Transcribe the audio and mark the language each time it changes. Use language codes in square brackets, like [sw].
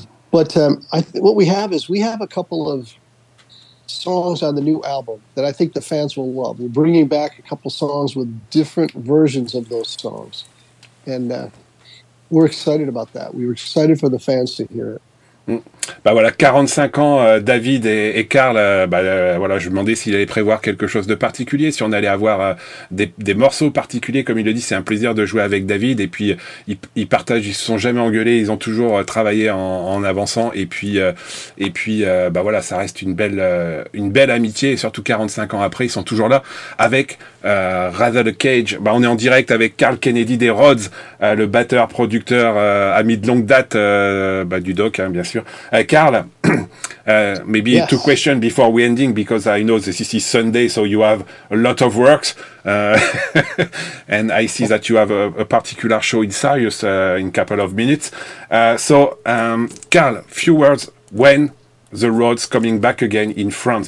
[en] But what we have is we have a couple of songs on the new album that I think the fans will love. We're bringing back a couple songs with different versions of those songs, and we're excited about that. We were excited for the fans to hear it. [fr] Ben voilà, 45 ans, David et Karl, voilà, je me demandais s'il allait prévoir quelque chose de particulier, si on allait avoir des morceaux particuliers, comme il le dit, c'est un plaisir de jouer avec David, et puis ils partagent, ils se sont jamais engueulés, ils ont toujours travaillé en avançant, et puis, voilà, ça reste une belle amitié, et surtout 45 ans après, ils sont toujours là, avec Razzle the Cage. Ben, on est en direct avec Karl Kennedy des Rhodes, le batteur, producteur, ami de longue date du Doc, hein, bien sûr. [en] Karl, maybe yes. Two questions before we ending, because I know this is Sunday, so you have a lot of work. and I see that you have a particular show in Sirius in a couple of minutes. Karl, few words, when the Rhodes coming back again in France?